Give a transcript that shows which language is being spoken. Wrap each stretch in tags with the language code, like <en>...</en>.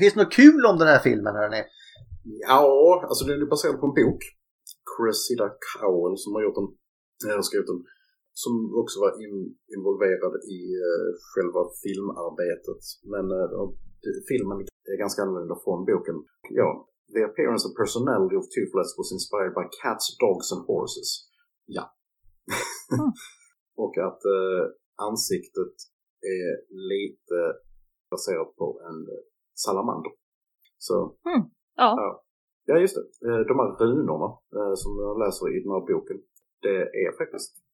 <sv>Finns det något kul om den här filmen, hörrni? Ja, alltså den är baserad på en bok. Cressida Cowell som har gjort den, skrivit den. Som också var involverad i själva filmarbetet. Men filmen är ganska annorlunda från boken.</sv> <en>Ja, The Appearance and Personality of Toothless was inspired by cats, dogs and horses.</en> <sv>Ja. Och att ansiktet är lite baserat på en salamander. Så. Mm. Oh. Ja, just det. De här runorna som jag läser i den här boken, det är faktiskt...</sv>